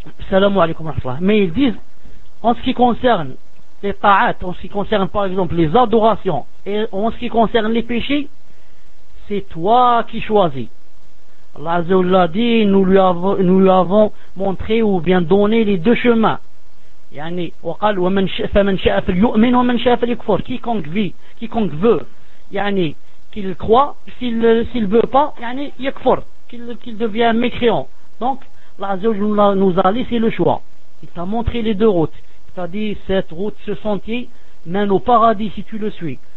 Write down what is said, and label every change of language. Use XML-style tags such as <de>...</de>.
<fr>Salam alaykoum wa rahmatullah. Mais ils disent, en ce qui concerne les ta'at, en ce qui concerne par exemple les adorations, et en ce qui concerne les péchés, c'est toi qui choisis. Allah Azza wa Jalla dit, nous lui avons montré ou bien donné les deux chemins.</fr> <ar>Yani, وقال, فمن شاء فليؤمن ومن شاء فليكفر.</ar> <fr>Quiconque vit, quiconque veut, yani, qu'il croit, s'il veut pas, yani, yakfur, qu'il devient mécréant. Donc, Allah Azza wa Jalla nous a laissé le choix. Il t'a montré les deux routes. Il t'a dit, cette route, ce sentier, mène au paradis si tu le suis.</fr>